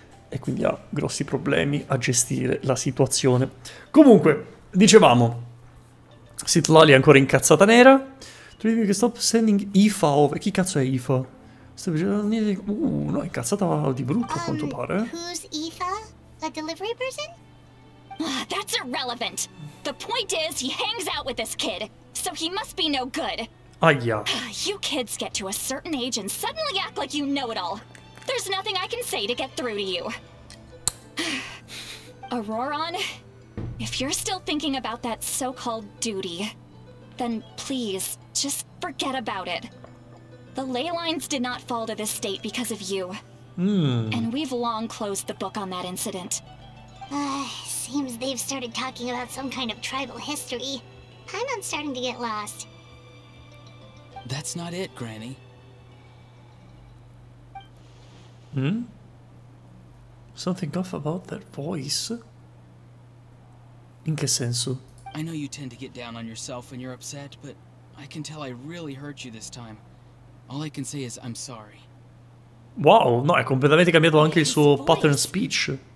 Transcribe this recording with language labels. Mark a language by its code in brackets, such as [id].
[it] E quindi ha grossi problemi a gestire la situazione. Comunque, dicevamo, Sitlali è ancora incazzata nera. Tu che [en] stop sending IFA over. [it] Chi cazzo è IFA? No, è incazzata di brutto, a quanto pare. [en] Who's IFA? The delivery person? That's irrelevant. The point is, he hangs out with this kid, so he must be no good. Aia. You kids get to a certain age and suddenly act like you know it all. There's nothing I can say to get through to you. Auroron, if you're still thinking about that so-called duty, then please, just forget about it. The ley lines did not fall to this state because of you. And we've long closed the book on that incident. Seems they've started talking about some kind of tribal history. Paimon's starting to get lost. That's not it, Granny. Something off about that voice. [it] In che senso? [en] I know you tend to get down on yourself when you're upset, but I can tell I really hurt you this time. All I can say is I'm sorry. [it] Wow, no, è completamente cambiato anche il suo pattern speech.